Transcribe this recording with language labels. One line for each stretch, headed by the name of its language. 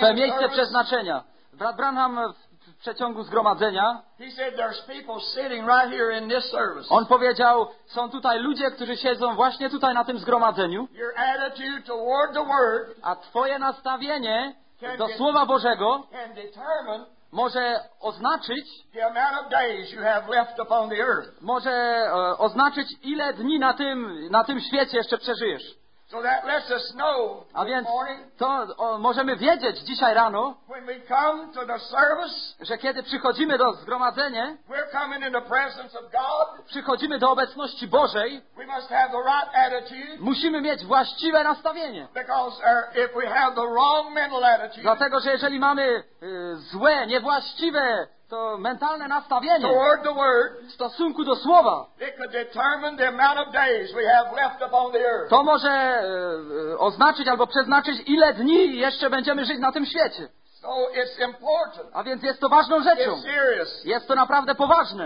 Polish: we miejsce przeznaczenia. Brat Branham w przeciągu zgromadzenia.
English: He said, "There's people sitting right here in this service."
Polish: On powiedział, są tutaj ludzie, którzy siedzą właśnie tutaj na tym zgromadzeniu.
English: Your attitude toward the word,
Polish: a twoje nastawienie do Słowa Bożego
English: can determine,
Polish: może oznaczyć
English: the amount of days you have left upon the earth.
Polish: Może oznaczyć, ile dni na tym świecie jeszcze przeżyjesz.
English: So that lets us know.
Polish: A więc to możemy wiedzieć dzisiaj rano,
English: when we come to the service,
Polish: że kiedy przychodzimy do zgromadzenia,
English: we're coming in the presence of God,
Polish: przychodzimy do obecności Bożej,
English: we must have the right attitude,
Polish: musimy mieć właściwe nastawienie.
English: Because if we have the wrong mental attitude,
Polish: dlatego, że jeżeli mamy złe, niewłaściwe to mentalne nastawienie
English: toward the word,
Polish: w stosunku do słowa,
English: it could determine the amount of days we have left upon the earth.
Polish: To może oznaczyć albo przeznaczyć, ile dni jeszcze będziemy żyć na tym świecie.
English: So it's important.
Polish: A więc jest to ważną rzeczą.
English: It's serious.
Polish: Jest to naprawdę poważne.